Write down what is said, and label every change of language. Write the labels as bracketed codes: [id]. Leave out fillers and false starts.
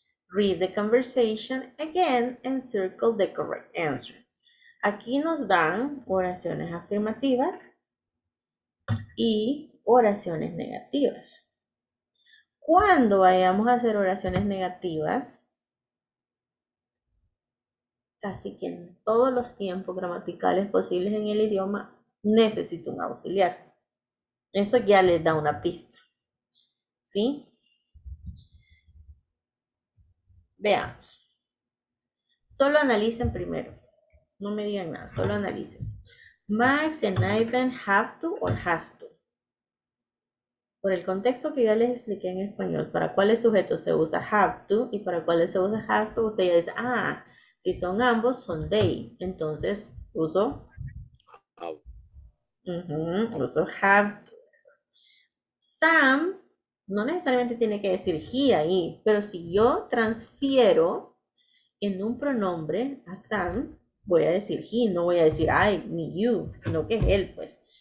[en] Read the conversation again and circle the correct answer. [es] Aquí nos dan oraciones afirmativas y oraciones negativas. Cuando vayamos a hacer oraciones negativas, casi que en todos los tiempos gramaticales posibles en el idioma, necesito un auxiliar. Eso ya les da una pista. ¿Sí? Veamos. Solo analicen primero. No me digan nada. Solo analicen. [en] Max and Ivan have to or has to. [es] Por el contexto que ya les expliqué en español, ¿para cuáles sujetos se usa [en] have to [es] y para cuáles se usa [en] has to? [es] Usted ya dice, ah, si son ambos, son they. Entonces, uso. Uso [en] have to. [es] Sam no necesariamente tiene que decir he ahí, pero si yo transfiero en un pronombre a Sam, voy a decir he, no voy a decir I ni you, sino que es él, pues.